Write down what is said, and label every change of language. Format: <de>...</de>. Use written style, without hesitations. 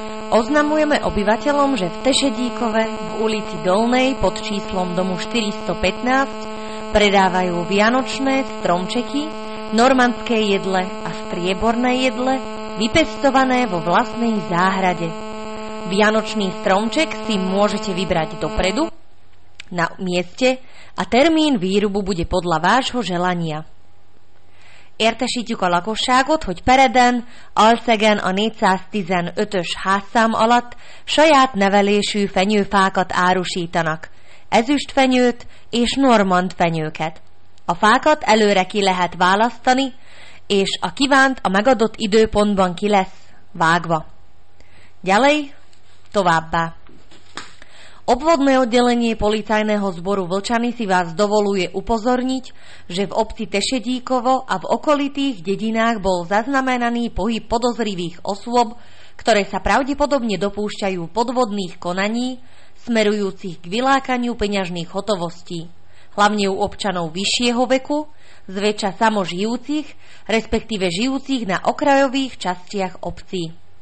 <sk>Oznamujeme obyvateľom, že v Tešedíkove v ulici Dolnej pod číslom domu 415 predávajú vianočné stromčeky, normandské jedle a strieborné jedle vypestované vo vlastnej záhrade. Vianočný stromček si môžete vybrať dopredu na mieste a termín výrubu bude podľa vášho želania.</sk> <hu>Értesítjük a lakosságot, hogy Pereden, Alszegen a 415-ös házszám alatt saját nevelésű fenyőfákat árusítanak, ezüstfenyőt és normand fenyőket. A fákat előre ki lehet választani, és a kívánt a megadott időpontban ki lesz vágva.</hu> <sk>Ďalej,</sk> <hu>továbbá.</hu> <sk>Obvodné oddelenie policajného zboru Vlčany si vás dovoluje upozorniť, že v obci Tešedíkovo a v okolitých dedinách bol zaznamenaný pohyb podozrivých osôb, ktoré sa pravdepodobne dopúšťajú podvodných konaní, smerujúcich k vylákaniu peňažných hotovostí, hlavne u občanov vyššieho veku, zväčša samožijúcich, respektíve žijúcich na okrajových častiach obcí.</sk>